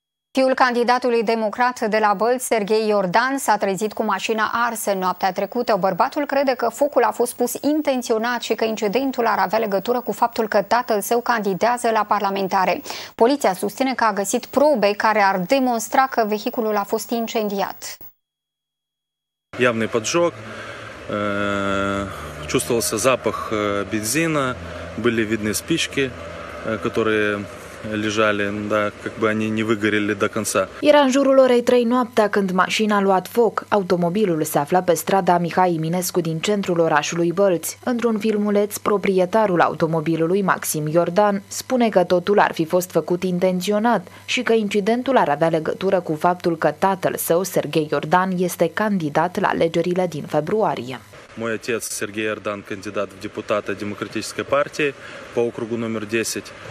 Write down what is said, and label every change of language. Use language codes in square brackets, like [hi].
[ro] Fiul candidatului democrat de la Bălți, Serghei Iordan, s-a trezit cu mașina arsă noaptea trecută. Bărbatul crede că focul a fost pus intenționat și că incidentul ar avea legătură cu faptul că tatăl său candidează la parlamentare. Poliția susține că a găsit probe care ar demonstra că vehiculul a fost incendiat. [ru] Явный поджог, чувствовался запах бензина, были видны спички, которые лежали, да, как бы они не выгорели до конца. [ro] Era în jurul orei 3 noaptea când mașina a luat foc. Automobilul se afla pe strada Mihai Eminescu din centrul orașului Bălți. Într-un filmuleț, proprietarul automobilului, Maxim Iordan, spune că totul ar fi fost făcut intenționat și că incidentul ar avea legătură cu faptul că tatăl său, Serghei Iordan, este candidat la alegerile din februarie. [ru] Мой отец Сергей Иордан, кандидат в депутаты Демократической партии по округу номер 10.